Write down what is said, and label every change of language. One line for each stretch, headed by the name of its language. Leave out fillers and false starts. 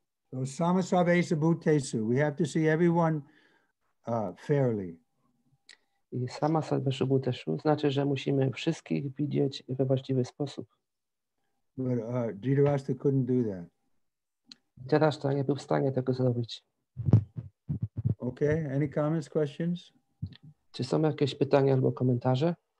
English: So
Sanskrit: samasarvesa bhutesu,
English: we have to see everyone fairly.
Polish: I
Sanskrit: samasarvesa bhutesu
Polish: znaczy, że musimy wszystkich widzieć we właściwy sposób.
English: But Dhritarashtra couldn't do that.
Polish: Dhritarashtra nie był w stanie tego zrobić.
English: Okay, any comments, questions?
Polish: Czy są jakieś pytania albo komentarze?